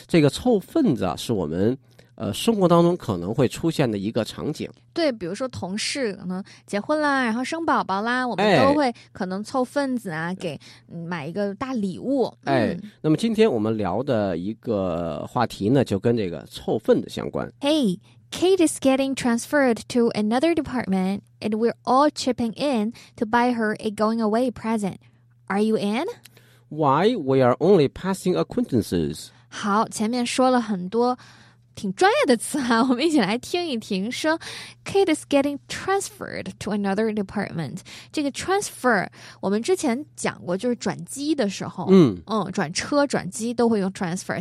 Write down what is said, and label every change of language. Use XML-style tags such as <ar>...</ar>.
<zh>这个凑份子啊，是我们生活当中可能会出现的一个场景。对，比如说同事可能结婚啦，然后生宝宝啦，我们都哎，会可能凑份子啊，给买一个大礼物。哎，那么今天我们聊的一个话题呢，就跟这个凑份子相关。</zh> <en>Hey, Kate is getting transferred to another department, and we're all chipping in to buy her a going away present. Are you in? Why we are only passing acquaintances?</en> <zh>好，前面说了很多挺专业的词啊，我们一起来听一听。</zh> <en>说 Kate is getting transferred to another department.</en> <zh>这个 transfer 我们之前讲过，就是转机的时候，转车转机都会用 transfer。</zh>